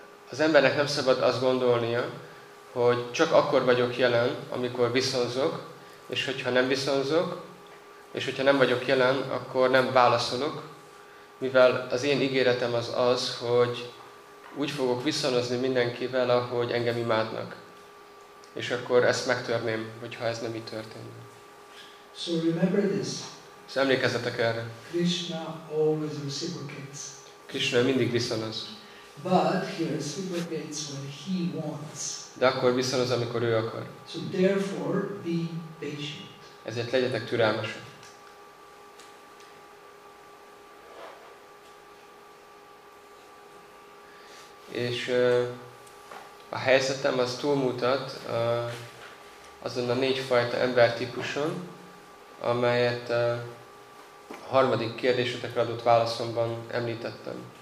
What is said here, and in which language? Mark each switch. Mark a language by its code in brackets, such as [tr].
[hu] az embernek nem szabad azt gondolnia, hogy csak akkor vagyok jelen, amikor viszonzok, és hogyha nem viszonzok, és hogyha nem vagyok jelen, akkor nem válaszolok, mivel az én ígéretem az az, hogy úgy fogok viszonozni mindenkivel, ahogy engem imádnak. És akkor ezt megtörném, hogyha ez nem így történne. [en] So remember this. [hu] Szóval emlékezzetek erre. [en] Krishna always reciprocates. [hu] Krishna mindig viszonoz. [en] But he reciprocates when he wants. [hu] De akkor viszonoz, amikor ő akar. [en] So therefore be patient. [hu] Ezért legyetek türelmesek. És a helyzetem az túlmutat azon a négy fajta embertípuson, amelyet a harmadik kérdésetekre adott válaszomban említettem.